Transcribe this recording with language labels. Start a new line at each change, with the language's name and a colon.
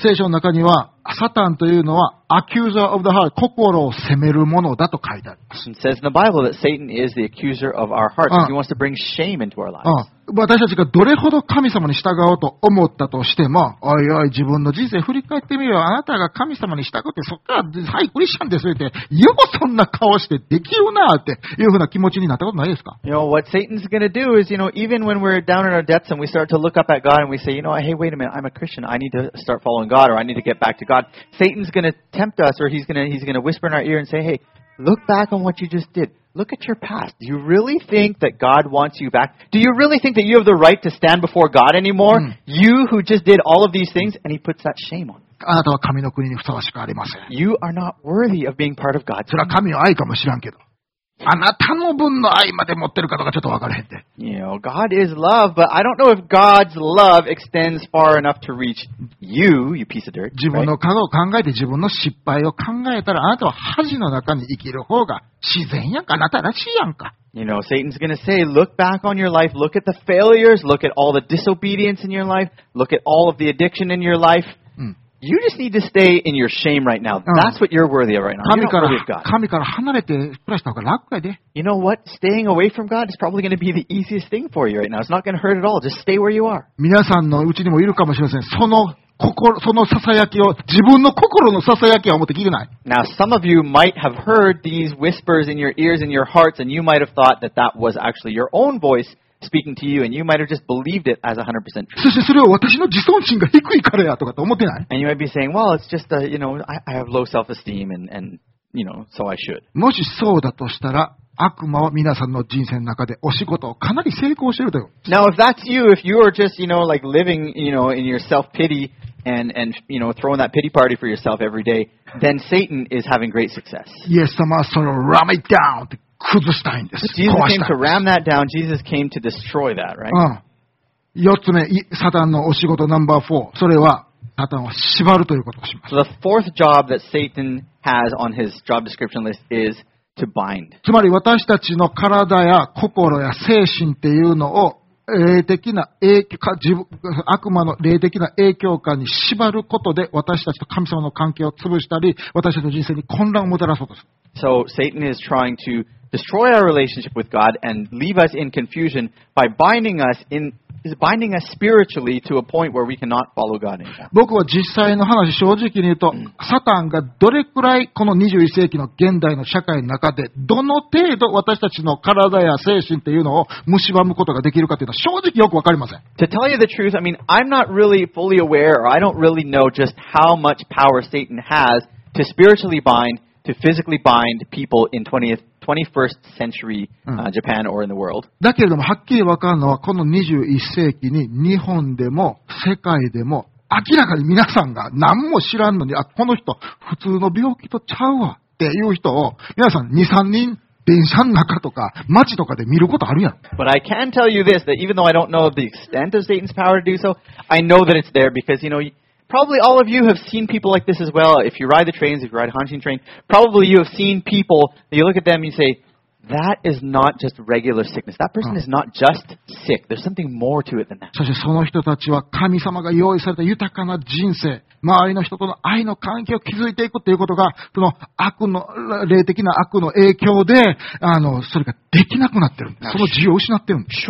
Japanese: 聖書の中にはサタンというのは
English: accuser of the heart
Japanese: 心を責めるものだと書いてあります。
English: It says in the Bible that Satan is the accuser of our heart because he wants to bring shame into our lives.
Japanese: 私たちがどれほど神様に従おうと思ったとしても、おいおい自分の人生振り返ってみよう、あなたが神様に従ってそっからはいクリスチャンですってよくそんな顔してできるなっていうふうな気持ちになったことないですか。
English: You know, what Satan's going to do is, you know, even when we're down in our depths and we start to look up at God and we say, you know, hey, wait a minute, I'm a Christian, I need to start following God or I need to get back to God, Satan's going to tempt us or he's going to whisper in our ear and say, hey, look back on what you just did. Look at your past. Do you really think that God wants you back? Do you really think that you have the right to stand before God anymore? You who just did all of these things, and he puts that shame on
Japanese: あなたは神の国にふさわしくありません。
English: You are not worthy of being part of God.
Japanese: それは神の愛かもしらんけど、あなたの分の愛まで持ってるかどうかちょっと分からへんて。
English: You know, God is love, but I don't know if God's love extends far enough to reach you, you piece of dirt.
Japanese: 自分の過去を考えて自分の失敗を考えたら、あなたは恥の中に生きる方が自然やんか、あなたらしいやんか。
English: You know, Satan's gonna say, look back on your life, look at the failures, look at all the disobedience in your life, look at all of the addiction in your life. You just need to stay in your shame right now. That's what you're worthy of right now.
Japanese: 神から離れて暮らした方が楽やで。
English: You know what? Staying away from God is probably going to be the easiest thing for you right now. It's not going to hurt at all. Just stay where you are.
Japanese: 皆さんのうちにもいるかもしれません。そのささやきを、自分の心のささやきを思って聞いてない。
English: Now, some of you might have heard these whispers in your ears and your hearts, and you might have thought that that was actually your own voice. Speaking to you, and you might have just believed it as 100% true.
Japanese: そしてそれは私の自尊心が低いからやとかと思ってない。
English: And you might be saying, well, it's just a, you know, I have low self-esteem, and you know, so I should.
Japanese: もしそうだとしたら、悪魔は皆さんの人生の中でお仕事をかなり成功しているという。
English: Now, if that's you, if you are just, you know, like living, you know, in your self-pity and, you know, throwing that pity party for yourself every day, then Satan is having great success.
Japanese: イエス様はそれを
English: ram it down
Japanese: って崩したいんです。
English: Jesus came to ram that down. Jesus came to destroy that, right? うん。
Japanese: 四つ目、サタンのお仕事ナンバー4。それは、サタンは縛るということをします。
English: So the fourth job that Satan has on his job description list is,To bind.
Japanese: つまり私たちの体や心や精神っていうのを霊的な影響か、悪魔の霊的な影響下に縛ることで私たちと神様の関係を潰したり、私たちの人生に混乱をもたらそうとする。
English: So Satan is trying to destroy our relationship with God and leave us in confusion by binding us spiritually to a point where we cannot follow God anymore.
Japanese: 僕は実際の話、正直に言うと、サタンがどれくらいこの21世紀の現代の社会の中で、どの程度私たちの体や精神っていうのを蝕むことができるかというのは正直よくわかりません。
English: To tell you the truth, I mean, I'm not really fully aware or I don't really know just how much power Satan has to spiritually bind, to physically bind people in 21st century Japan or in the world.
Japanese: だけれどもはっきり分かるのはこの21世紀に日本でも世界でも明らかに皆さんが何も知らんのにあこの人普通の病気とちゃうわっていう人を皆さん 2,3 人電車の中とか街とかで見ることあるやん。
English: But I can tell you this, that even though I don't know the extent of Satan's power to do so, I know that it's there because, you know,Probably all of you have seen people like this as well. If you ride the trains, if you ride a haunting train, probably you have seen people, you look at them and you say, that is not just regular sickness. That person is not just sick. There's something more to it than that.
Japanese: そしてその人たちは神様が用意された豊かな人生、周りの人との愛の関係を築いていくということが、その悪の、霊的な悪の影響で、それができなくなってるんです。
English: Now,
Japanese: その自由を失ってるんです。